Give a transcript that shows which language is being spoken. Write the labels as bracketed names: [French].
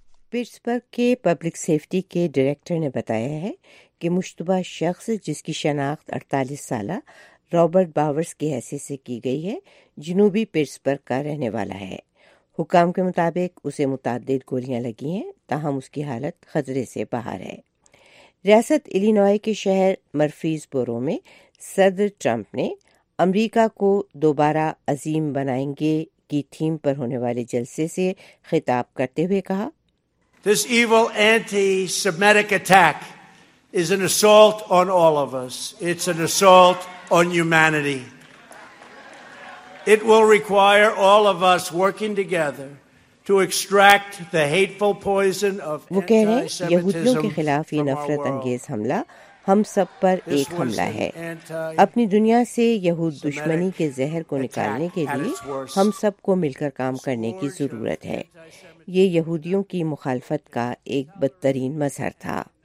[Urdu] Pittsburgh کے public safety کے director نے بتایا ہے کہ مشتبہ شخص، جس کی شناخت 48 سالہ رابرٹ باورز کی حیثیت سے کی گئی ہے، جنوبی پٹسبرگ کا رہنے والا ہے۔ حکام کے مطابق اسے متعدد گولیاں لگی ہیں، تاہم اس کی حالت خطرے سے باہر ہے۔ ریاست الینوائے کے شہر مرفیز پورو میں صدر ٹرمپ نے امریکہ کو دوبارہ عظیم بنائیں گے کی تھیم پر ہونے والے جلسے سے خطاب کرتے ہوئے کہا، [English] This evil anti-Semitic attack is an assault on all of us. It's an assault on humanity. It will require all of us working together to extract the hateful poison of [Urdu] وہ کہہ رہے ہیں یہودیوں کے خلاف یہ نفرت انگیز حملہ ہم سب پر ایک حملہ ہے۔ اپنی دنیا سے یہود دشمنی کے زہر کو نکالنے کے لیے ہم سب کو مل کر کام کرنے کی ضرورت ہے۔ یہ یہودیوں کی مخالفت کا ایک بدترین مظہر تھا۔